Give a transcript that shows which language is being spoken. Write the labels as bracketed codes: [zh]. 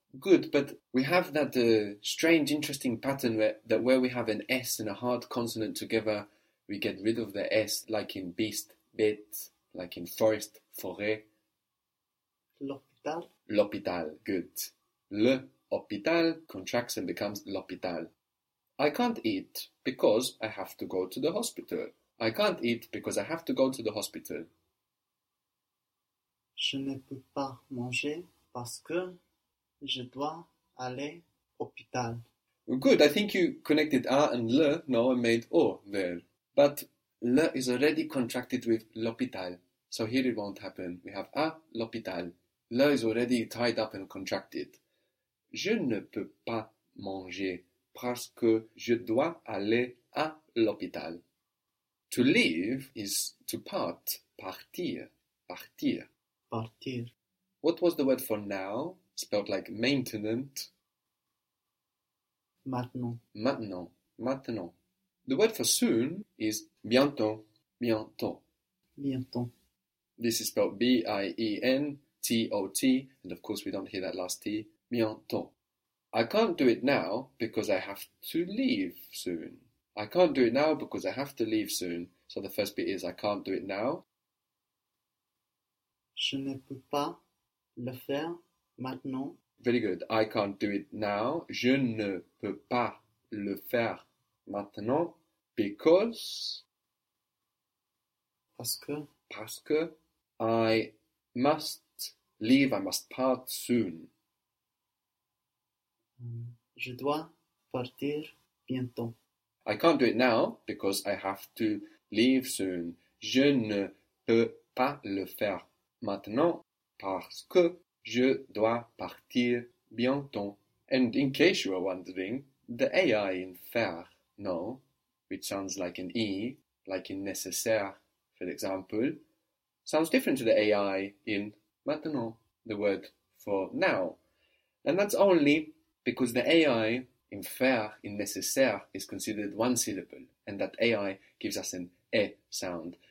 [en] Good, but we have that strange, interesting pattern where we have an S and a hard consonant together, we get rid of the S, like in beast, bête, like in forest, forêt. [fr] L'hôpital. [en] L'hôpital, good. Le hôpital contracts and becomes l'hôpital. I can't eat because I have to go to the hospital. I can't eat because I have to go to the hospital. [fr] Je ne peux pas manger parce que je dois aller à l'hôpital. [en] Good, I think you connected a and le, no, and made o there. But le is already contracted with l'hôpital, so here it won't happen. We have a l'hôpital. Le is already tied up and contracted. [fr] Je ne peux pas manger parce que je dois aller à l'hôpital. [en] To leave is to part, partir, partir. [fr] Partir. [en] What was the word for now, spelled like maintenant? [fr] Maintenant. Maintenant, maintenant. [en] The word for soon is bientôt, bientôt. [fr] Bientôt. [en] This is spelled BIENTOT, and of course we don't hear that last T, bientôt. I can't do it now because I have to leave soon. I can't do it now because I have to leave soon. So the first bit is I can't do it now. [fr] Je ne peux pas le faire maintenant. [en] Very good. I can't do it now. [fr] Je ne peux pas le faire [en] Maintenant, because, parce que, I must leave, I must part soon. [fr] Je dois partir bientôt. [en] I can't do it now because I have to leave soon. [fr] Je ne peux pas le faire maintenant parce que je dois partir bientôt. [en] And in case you are wondering, the AI in faire, no, which sounds like an E, like in nécessaire, for example, sounds different to the AI in maintenant, the word for now. And that's only because the AI in faire, in nécessaire, is considered one syllable, and that AI gives us an E sound.